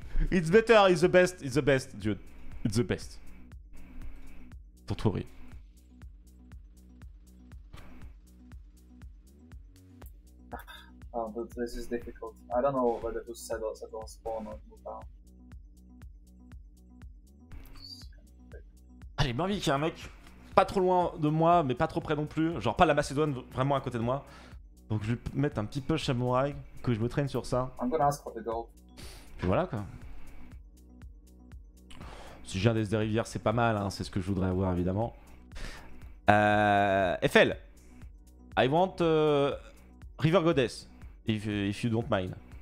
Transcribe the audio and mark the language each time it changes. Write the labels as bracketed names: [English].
[English] It's better, it's the best, dude. [French] T'en trouveries. [English] Oh, but this is difficult. I don't know whether to settle on spawn or move down. [French] Allez, bien vite, il y a un mec pas trop loin de moi, mais pas trop près non plus. Genre, pas la Macédoine vraiment à côté de moi. Donc je vais mettre un petit push samouraï, que je me traîne sur ça. [English] I'm gonna ask for the gold. [French] Puis voilà quoi. Si j'ai un des rivières, c'est pas mal, hein. C'est ce que je voudrais avoir évidemment. [English] FL, I want River Goddess, if you don't mind.